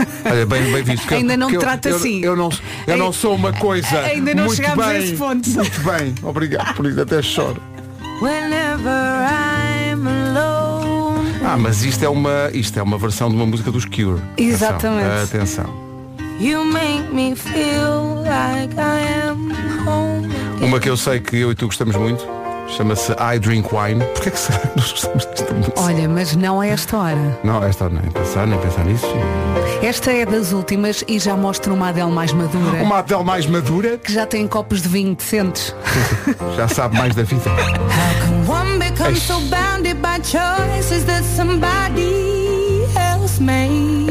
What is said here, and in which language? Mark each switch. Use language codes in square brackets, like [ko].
[pt] Olha, bem, bem visto. Que ainda não que trata eu, assim. Eu não sou uma coisa. Ainda não muito chegámos bem, a esse ponto. Muito bem. Obrigado por isso. Até choro. [en] Whenever I'm alone. [pt] Ah, mas isto é uma versão de uma música dos Cure. Exatamente. Atenção. [en] You make me feel like I am home. [pt] Uma que eu sei que eu e tu gostamos muito. Chama-se I Drink Wine. Porquê que será que nós gostamos desta música? Olha, mas não é esta hora. Não, esta hora nem pensar nisso. Esta é das últimas e já mostra uma Adele mais madura. Uma Adele mais madura? Que já tem copos de vinho decentes. Já sabe mais da vida. [en] How can one become so bounded by choices that somebody else made?